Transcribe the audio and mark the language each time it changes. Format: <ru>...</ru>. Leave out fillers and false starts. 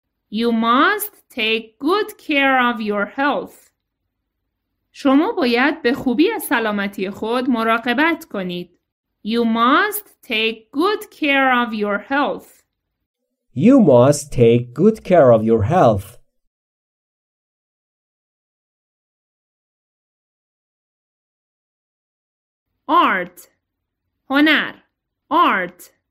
<en>You must take good care of your health.</en> <fa>شما باید به خوبی از سلامتی خود مراقبت کنید.</fa> <en>You must take good care of your health. You must take good care of your health. Art. هنر. Art.</en>